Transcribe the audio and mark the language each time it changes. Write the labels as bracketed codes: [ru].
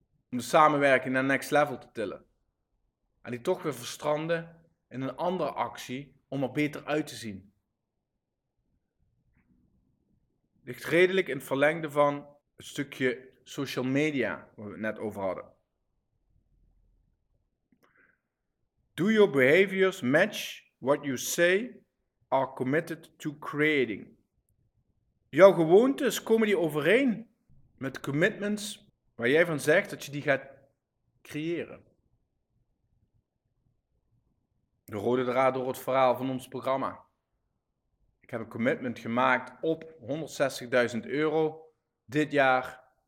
[nl] Om de samenwerking naar next level te tillen. En die toch weer verstranden in een andere actie om er beter uit te zien. Ligt redelijk in het verlengde van het stukje social media waar we het net over hadden. [en] Do your behaviors match what you say are committed to creating? [nl] Jouw gewoontes, komen die overeen met commitments waar jij van zegt dat je die gaat creëren? de rode draad door het verhaal van ons programma. Ik heb een commitment gemaakt op 160.000 euro dit jaar.